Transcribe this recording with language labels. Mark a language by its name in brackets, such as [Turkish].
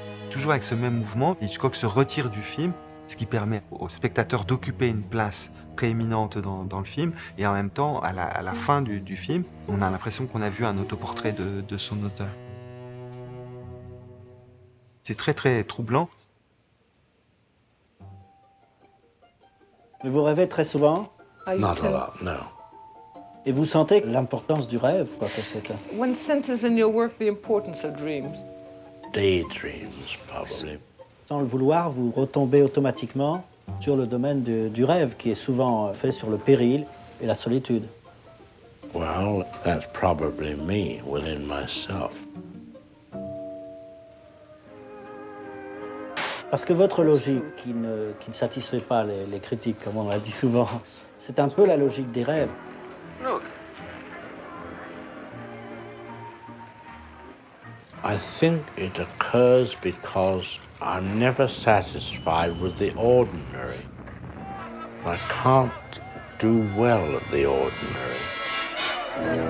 [French] Toujours avec ce même mouvement, Hitchcock se retire du film, ce qui permet au spectateur d'occuper une place prééminente dans le film, et en même temps, à la fin du film, on a l'impression qu'on a vu un autoportrait de son auteur. C'est très, très troublant. Mais vous rêvez très souvent? [English] Not a lot, no. [French] Et vous sentez l'importance du rêve, quoi que c'est. [English] One senses in your work the importance of dreams. Daydreams, probably. [French] Sans le vouloir, vous retombez automatiquement sur le domaine du rêve, qui est souvent fait sur le péril et la solitude. [English] Well, that's probably me within myself. [French] Parce que votre logique qui ne satisfait pas les critiques, comme on l'a dit souvent, c'est un peu la logique des rêves. [English] Look. I think it occurs because I'm never satisfied with the ordinary. I can't do well at the ordinary.